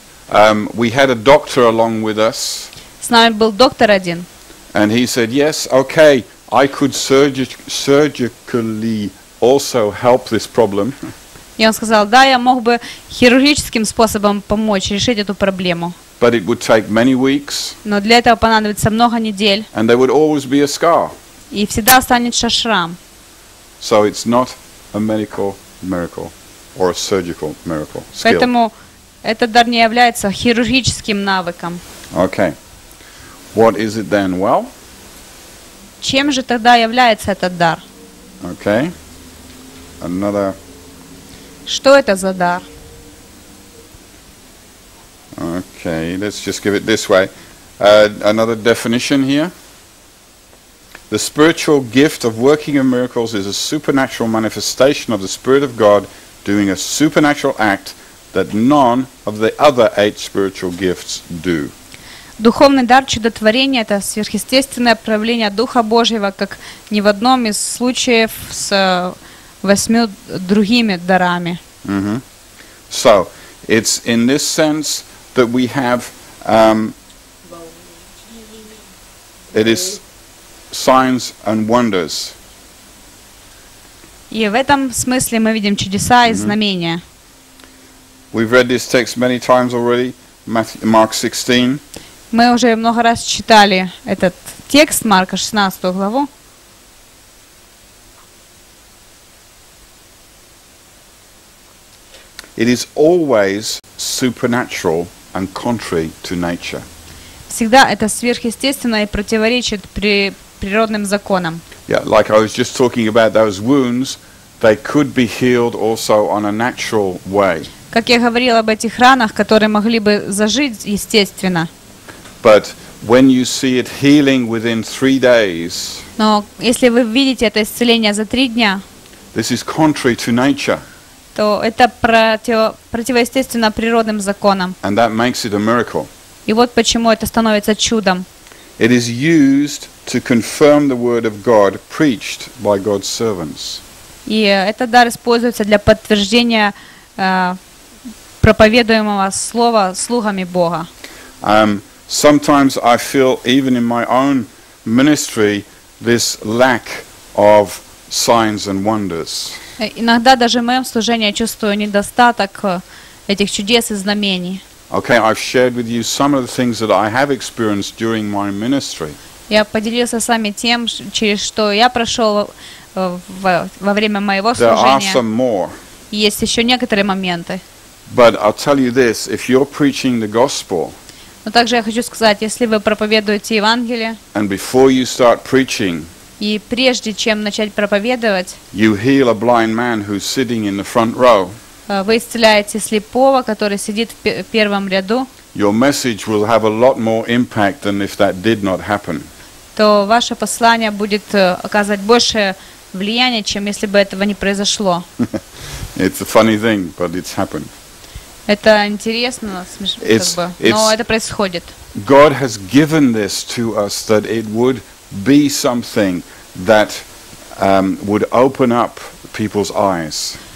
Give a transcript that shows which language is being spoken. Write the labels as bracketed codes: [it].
[en] We had a doctor along with us. [ru] С нами был доктор один. [en] And he said, "Yes, okay, I could surgically also help this problem." [ru] И он сказал: "Да, я мог бы хирургическим способом помочь решить эту проблему." [en] But it would take many weeks. [ru] Но для этого понадобится много недель. [en] And there would always be a scar. [ru] И всегда останется шрам. [en] So it's not a medical miracle or a surgical miracle. [ru] Поэтому этот дар не является хирургическим навыком. [en] Okay. What is it then? Well. [ru] Чем же тогда является этот дар? [en] Okay. Another. [ru] Что это за дар? [en] Okay, let's just give it this way. Another definition here. The spiritual gift of working of miracles is a supernatural manifestation of the Spirit of God doing a supernatural act that none of the other eight spiritual gifts do. [ru] Духовный дар чудотворения – это сверхъестественное проявление Духа Божьего, как ни в одном из случаев с восьми другими дарами. [en] So, it's in this sense that we have it is signs and wonders. [ru] И в этом смысле мы видим чудеса и знамения. [en] We've read this text many times already, Mark 16. [ru] Мы уже много раз читали этот текст, Марка 16 главу. [en] It is always supernatural and contrary to nature. [ru] Всегда это сверхъестественно и противоречит природным законам. [en] Yeah, like I was just talking about those wounds, they could be healed also on a natural way. [ru] Как я говорил об этих ранах, которые могли бы зажить естественно. [en] But when you see it healing within 3 days. [ru] Но если вы видите это исцеление за 3 дня. [en] This is contrary to nature. [ru] То это противоестественно природным законам. [en] And that makes it a miracle. [ru] И вот почему это становится чудом. [en] It is used to confirm the word of God preached by God's servants. [ru] И этот дар используется для подтверждения проповедуемого слова слугами Бога. [en] Sometimes I feel even in my own ministry this lack of signs and wonders. [ru] Иногда даже в моем служении я чувствую недостаток этих чудес и знамений. [en] Okay, I've shared with you some of the things that I have experienced during my ministry. [ru] Я поделился с вами тем, через что я прошел во время моего служения. [en] There are some more. [ru] Есть еще некоторые моменты. [en] But I'll tell you this: if you're preaching the gospel. [ru] Но также я хочу сказать, если вы проповедуете Евангелие. [en] And before you start preaching. [ru] И прежде чем начать проповедовать, [en] you heal a blind man who's sitting in the front row. [ru] Вы исцеляете слепого, который сидит в первом ряду. [en] Your message will have a lot more impact than if that did not happen. [ru] То ваше послание будет оказывать большее влияние, чем если бы этого не произошло. [en] It's a funny thing, but it's happened. [ru] Это интересно, смешно, но это происходит. [en] God has given this to us that it would be something that would open up people's eyes.